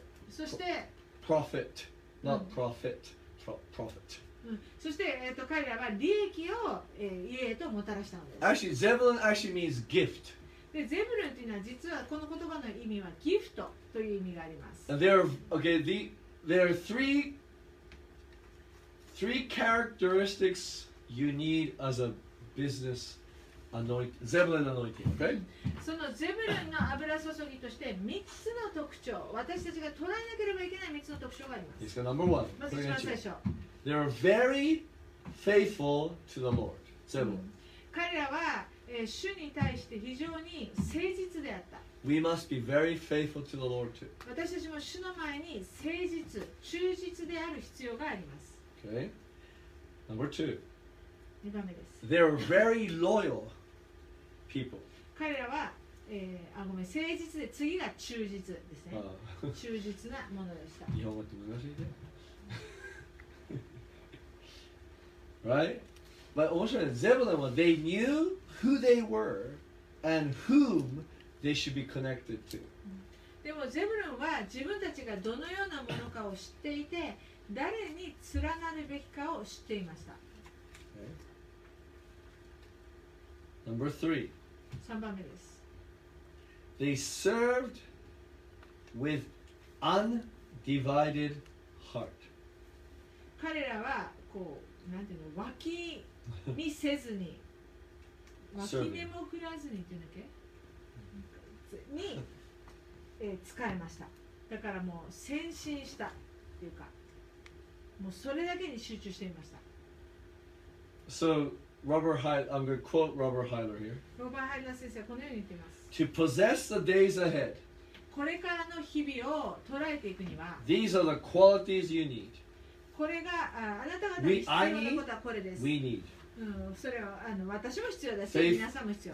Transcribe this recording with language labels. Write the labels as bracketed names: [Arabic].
[Japanese] そして。 [English] Profit, not profit, profit. [Japanese] そして彼らは利益を家へともたらしたのです。 [English] Actually, Zebulun actually means gift. [Japanese] で、ゼブルンというのは実はこの言葉の意味はギフトという意味があります。 [English] And there are, okay, there are three characteristics you need as a business anointing, Zebulun anointing, okay? [Japanese] そのゼブルンの油注ぎとして3つの特徴、私たちが捉えなければいけない3つの特徴があります。ですから、 [English] number one. [Japanese] まず一番最初。 [English] They are very faithful to the Lord, Zebulun. [Japanese] 彼らは、主に対して非常に誠実であった。 [English] We must be very faithful to the Lord too. [Japanese] 私たちも主の前に誠実、忠実である必要があります。 [English] Okay. Number two. [Japanese] 2番目です。 [English] They're very loyal people. [Japanese] 彼らは、ごめん、誠実で、次が忠実ですね。忠実なものでした。日本語って難しいね。 [English] right? But [Japanese] 面白いね。 [English] ゼブルンは、they knew who they were and whom they should be connected to. [Japanese] でもゼブルンは、自分たちがどのようなものかを知っていて、誰に連なるべきかを知っていました。 [English] Okay. Number three. [Japanese] 3番目です。 [English] They served with undivided heart. [Japanese] 彼らはこう、なんていうの、脇にせずに、脇でも振らずにっていうんだっけ？に、使えました。だからもう、先進したっていうか。もうそれだけに集中していました。 [English] So, Robert Heidler, I'm going to quote Robert Heidler here. [Japanese] ロバート・ハイラー先生はこのように言っています。 [English] To possess the days ahead. [Japanese] これからの日々を捉えていくには。 [English] These are the qualities you need. [Japanese] これが、あなた方に必要なことはこれです。 [English] We need. [Japanese] それは私も必要だし、皆さんも必要。